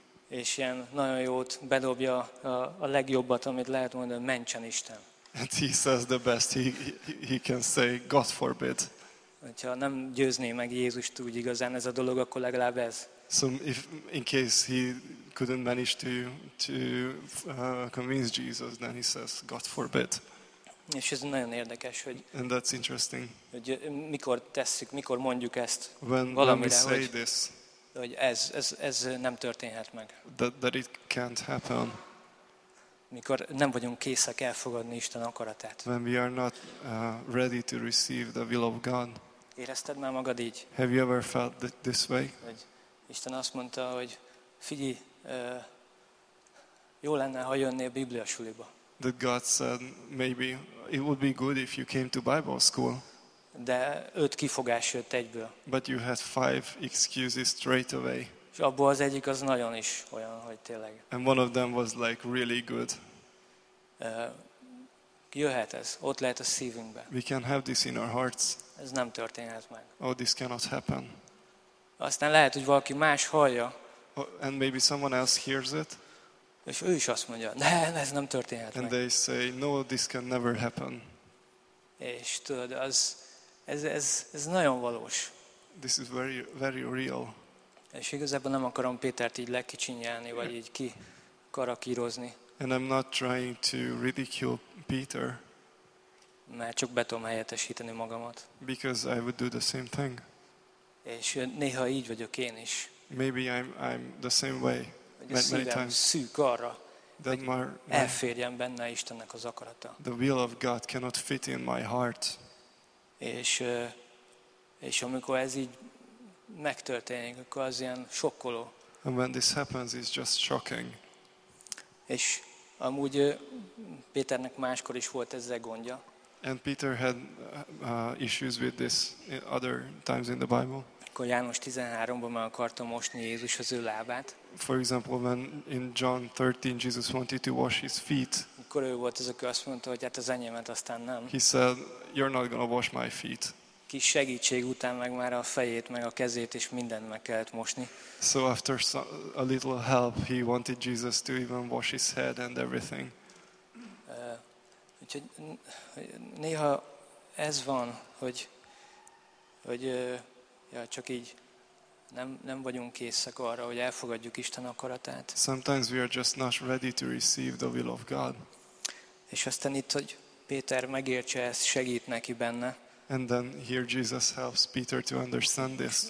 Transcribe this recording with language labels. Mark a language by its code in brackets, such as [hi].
[hu] És ilyen nagyon jót bedobja a legjobbat, amit lehet mondani, mentsen Isten. [en] And he says the best he can say, God forbid. [hu] Hogyha nem győzné meg Jézust úgy igazán ez a dolog, akkor legalább ez. [en] So if in case he couldn't manage to convince Jesus, then he says, God forbid. [hu] És ez nagyon érdekes, hogy. [en] And that's interesting. [hu] Hogy mikor tesszük, mikor mondjuk ezt [en] when, [hu] valamire, [en] when we say [hu] hogy, [en] this, [hu] hogy ez nem történhet meg. [en] That it can't happen. [hu] Mikor nem vagyunk készek elfogadni Isten akaratát. [en] When we are not ready to receive the will of God. [hu] Érezted már magad így? [en] Have you ever felt this way? [hu] Isten azt mondta, hogy figyelj, jó lenne, ha jönnél Biblia suliba. [en] That God said, maybe it would be good if you came to Bible school. [hu] De öt kifogás jött egyből. [en] But you had five excuses straight away. [hu] És abból az egyik az nagyon is olyan, hogy tényleg. [en] And one of them was like really good. [hu] Jöhet ez, ott lehet a szívünkben. [en] We can have this in our hearts. [hu] Ez nem történhet meg. [en] Oh, this cannot happen. [hu] Aztán lehet, hogy valaki más hallja. [en] And maybe someone else hears it. [hu] És ő is azt mondja, ne, ez nem történhet [en] and [hu] meg. [en] They say, no, this can never happen. [hu] És tudod, ez nagyon valós. [en] This is very, very real. [hu] És igazából nem akarom Pétert így lekicsinyelni, vagy így kikarakírozni. [en] And I'm not trying to ridicule Peter. [hu] Mert csak be tudom helyettesíteni magamat. [en] Because I would do the same thing. [hu] És néha így vagyok én is. [en] Maybe I'm the same way. Many times. [hu] Hogy a szívem szűk arra, hogy elférjen benne Istennek az akarata. [en] The will of God cannot fit in my heart. [hu] És amikor ez így megtörténik, akkor az ilyen sokkoló. [en] And when this happens, it's just shocking. [hu] És amúgy Péternek máskor is volt ezzel gondja. [en] And Peter had issues with this other times in the Bible. [hu] Akkor János 13-ban meg akarta mosni Jézus az ő lábát. [en] For example, when in John 13 Jesus wanted to wash his feet. [hu] Akkor ő volt az, aki azt mondta, hogy hát az enyémet aztán nem. [en] He said, you're not gonna wash my feet. [hu] Kis segítség után meg már a fejét, meg a kezét és mindent meg kellett mosni. [en] So after a little help, he wanted Jesus to even wash his head and everything. [hu] Úgyhogy néha ez van, hogy csak így nem vagyunk készek arra, hogy elfogadjuk Isten akaratát. [en] Sometimes we are just not ready to receive the will of God. [hu] És aztán itt, hogy Péter megértse ezt, segít neki benne. [en] And then here Jesus helps Peter to understand this.